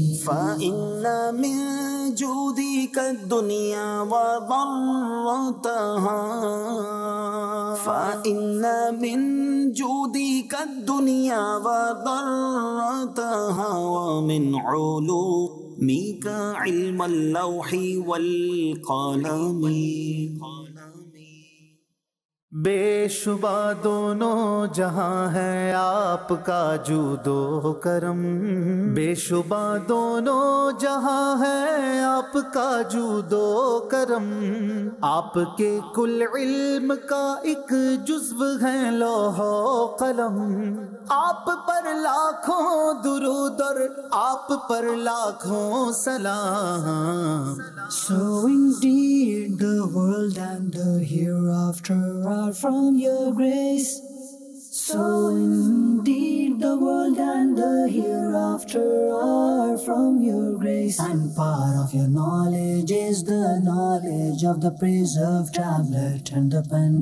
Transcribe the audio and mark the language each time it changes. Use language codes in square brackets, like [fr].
[ar] فإن من جودك الدنيا وضرتها. فإن من جودك الدنيا وضرتها ومن علومك علم اللوح والقلم. [ur] بے شبہ دونوں جہاں ہے آپ کا جود و کرم. بے شبہ دونوں جہاں ہے آپ کا جود و کرم. آپ کے کل علم کا ایک جزو ہے لوح و قلم. آپ پر لاکھوں درود اور آپ پر لاکھوں سلام. [en] So indeed the world and the hereafter are from your grace. So indeed the world and the hereafter are from your grace. And part of your knowledge is the knowledge of the preserved tablet and the pen.